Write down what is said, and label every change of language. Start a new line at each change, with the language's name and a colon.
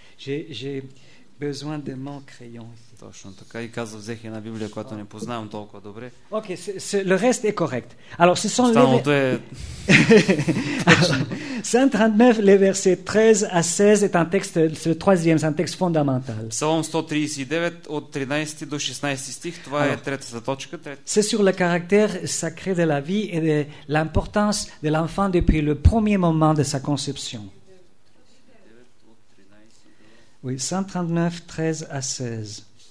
French: J'ai besoin de mon crayon.
Bulgarian: Точно така. И каза, взех една Библия, която не познавам толкова добре.
French: Ok, le reste est correct. Alors, ce sont les...
Bulgarian: Останалото е...
French: 139, les versets 13 à 16 est un texte, le troisième, c'est un texte fondamental.
Bulgarian: Псалом 139, от 13 до 16 стих, това е третата точка.
French: C'est sur le caractère sacré de la vie et de l'importance de l'enfant depuis le premier moment de sa conception. Oui, 139, 13 à 16.